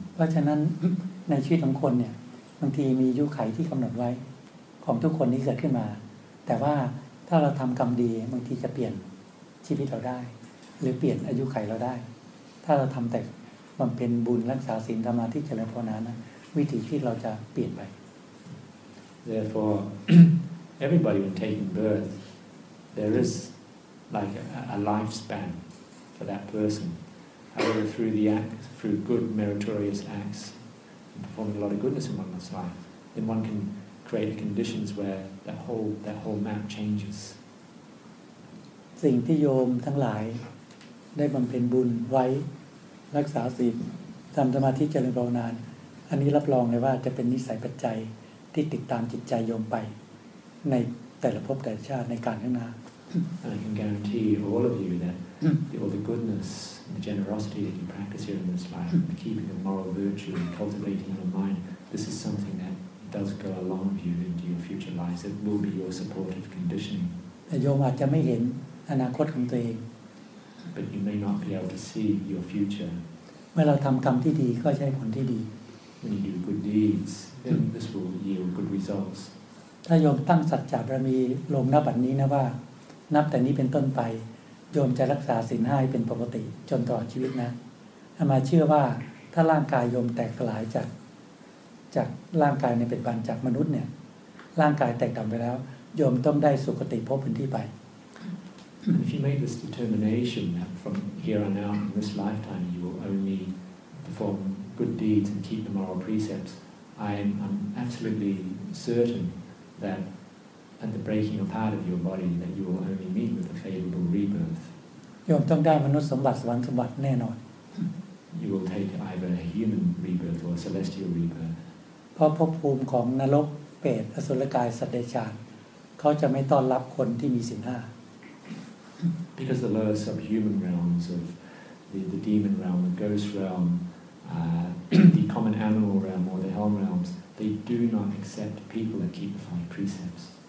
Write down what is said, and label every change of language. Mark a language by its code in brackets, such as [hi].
[th] เพราะฉะนั้นในชีวิตของคนเนี่ยบางทีมีอายุขัยที่กำหนดไว้ของทุกคนนี้เกิดขึ้นมาแต่ว่าถ้า าเราทำกรรมดีบางทีจะเปลี่ยนชีวิตเราได้หรือเปลี่ยนอายุขัยเราได้ถ้าเราทำแต่มันเป็นบุญรักษาศีลสมาธิเจริญภาวนานะวิถีชีวิตเราจะเปลี่ยนไป [en] Therefore everybody when taking birth there is like a lifespan for that person however through the act through good meritorious acts performing a lot of goodness in one's life then one can create conditions where that whole map changes [th] สิ่งที่โยมทั้งหลายได้บำเพ็ญบุญไว้รักษาศีลทำสมาธิเจริญภาวนาอันนี้รับรองเลยว่าจะเป็นนิสัยปัจจัยที่ติดตามจิตใจโยมไปในแต่ละภพแต่ละชาติในการข้างหน้า [en] I can guarantee all of you that all the goodness and the generosity that you practice here in this life and keeping the moral virtue and cultivating your mind this is something that does go along with you into your future lives it will be your supportive conditioning [th] แต่โยมอาจจะไม่เห็นอนาคตของตัวเอง [en] But you may not be able to see your future. [th] เมื่อเราทำกรรมที่ดีก็จะได้ผลที่ดี [en] When you do good deeds, then this will yield good results. [th] ถ้าโยมตั้งสัจจะบารมีลงณบัดนี้นะว่านับแต่นี้เป็นต้นไปโยมจะรักษาศีลห้าให้เป็นปกติจนตลอดชีวิตนะอาตมาเชื่อว่าถ้าร่างกายโยมแตกสลายจากร่างกายในปัจจุบันจากมนุษย์เนี่ยร่างกายแตกดับไปแล้วโยมต้องได้สุคติภพเป็นที่ไป [en] If you make this determination that from here on out in this lifetime you will only perform good deeds and keep the moral precepts, I'm absolutely certain that at the breaking apart of your body that you will only meet with a favorable rebirth. You'll [th] ต้องได้มนุษย์สมบัติสวรรค์สมบัติแน่นอน [en] You will take either a human rebirth or a celestial rebirth. [th] เพราะภพภูมิของนรกเปรตอสุรกายสัตว์เดรัจฉานเขาจะไม่ต้อนรับคนที่มีศีลห้า [en] Because the lower subhuman realms of the demon realm, the ghost realm, the common animal realm, or the hell realms, they do not accept people that keep the five precepts.